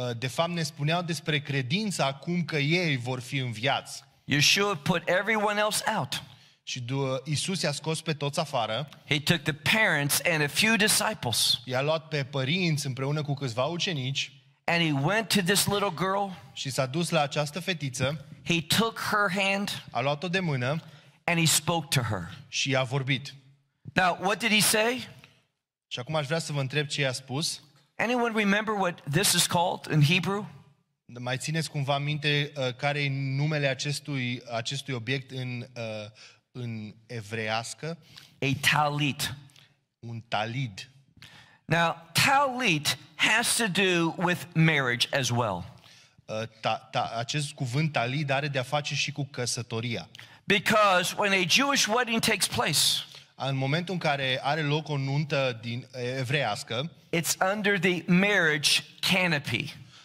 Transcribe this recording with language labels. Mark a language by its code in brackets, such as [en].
[ro] De fapt ne spuneau despre credința cum că ei vor fi înviați. [en] Yeshua put everyone else out. [ro] Și Iisus i-a scos pe toți afară. [en] He took the parents and a few disciples. [ro] I-a luat pe părinți împreună cu câțiva ucenici. [en] And he went to this little girl. [ro] Și s-a dus la această fetiță. [en] He took her hand. [ro] A luat-o de mână. [en] And he spoke to her. [ro] Și a vorbit. [en] Now, what did he say? [ro] Și acum aș vrea să vă întreb ce i-a spus. [en] Anyone remember what this is called in Hebrew? [ro] Mai țineți cumva minte care e numele acestui obiect în evreiască? [en] A talit. [ro] Un talid. [en] Now, talit has to do with marriage as well. [ro] Acest cuvânt talid are de a face și cu căsătoria. [en] Because when a Jewish wedding takes place, [ro] în momentul în care are loc o nuntă din evreiască, [en] it's under the marriage canopy.